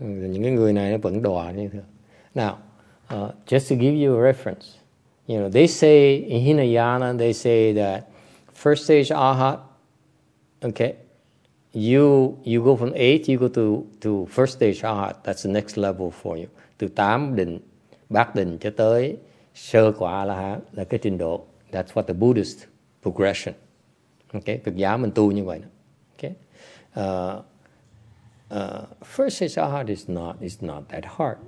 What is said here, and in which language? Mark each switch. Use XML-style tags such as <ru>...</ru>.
<vi>Những cái người này nó vẫn đọa như thế.</vi> <en>Now, just to give you a reference, you know, they say in Hinayana, they say that first stage arahat, okay, you go from eight, you go to first stage arahat. That's the next level for you.</en> <vi>Từ tám định, bát định cho tới sơ quả a-la-hán là cái trình độ.</vi> <en>That's what the Buddhist progression. Okay,</en> <vi>Phật giáo mình tu như vậy.</vi> <en>Đó. First stage arahant is not that hard.</en>